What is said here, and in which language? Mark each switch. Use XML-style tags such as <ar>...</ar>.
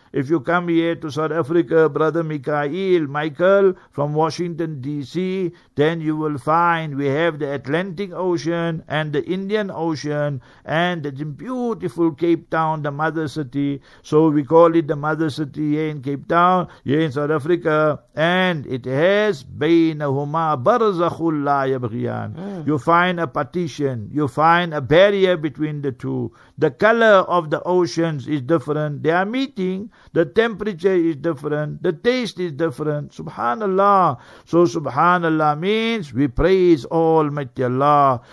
<en>If you come here to South Africa, Brother Michael, from Washington, D.C., then you will find we have the Atlantic Ocean and the Indian Ocean, and the beautiful Cape Town, the Mother City. So we call it the Mother City here in Cape Town, here in South Africa. And it has</en> <ar>بَيْنَهُمَا بَرْزَخٌ لَا يَبْغِيَانَ.</ar> <en>You find a partition, you find a barrier between the two. The color of the oceans is different. They are meeting. The temperature is different. The taste is different. Subhanallah. So subhanallah means we praise Almighty Allah.</en>